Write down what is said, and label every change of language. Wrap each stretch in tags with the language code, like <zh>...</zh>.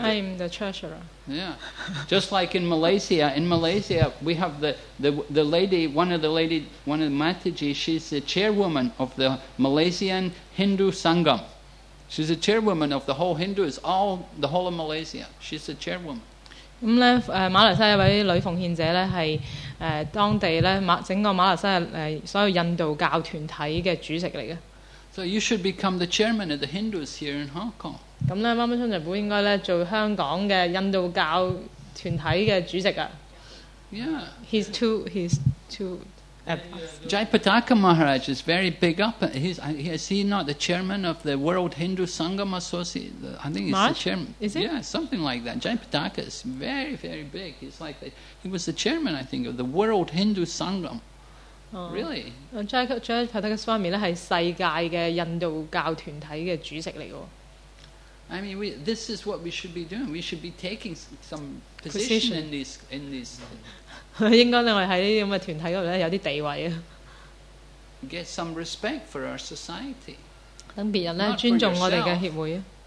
<en>it. I'm the treasurer. Yeah. Just like in Malaysia. In Malaysia, we have the lady, one of the Mataji, she's the chairwoman of the Malaysian Hindu Sangam. She's the chairwoman of the whole Hindus, all the whole of Malaysia. She's the chairwoman.</en> <zh>馬來西亞一位女奉獻者是當地整個馬來西亞所有印度教團體的主席來的。</zh> <en>So you should become the chairman of the Hindus here in Hong Kong.</en> <zh>那媽媽春就不應該做香港的印度教團體的主席啊。</zh> <en>Yeah. He's too. Jayapataka Maharaj is very big up. Is he not the chairman of the World Hindu Sangam Association? I think he's the chairman. Is it? Yeah, something like that. Jayapataka is very, very big. He's like he was the chairman, I think, of the World Hindu Sangam. Really? Jayapataka Swami is the world Hindu</en> <zh>教团体的主席来的。</zh> <en>I mean, this is what we should be doing. We should be taking some position in these. In these</en> <zh>应该我们在这些团体里有些地位。</zh> <en>Get some respect for our society.</en> <zh>让别人尊重我们的协会。</zh>